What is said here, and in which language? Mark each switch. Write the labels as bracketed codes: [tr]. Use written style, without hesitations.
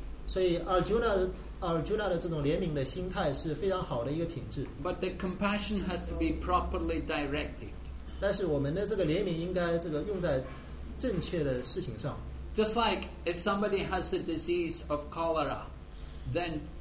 [zh] 所以阿尔贾纳的这种怜悯的心态是非常好的一个品质。 [en] But the compassion has to be properly directed. [zh] 但是我们的这个怜悯应该这个用在正确的事情上。 [en] Just like if somebody has a disease of cholera, then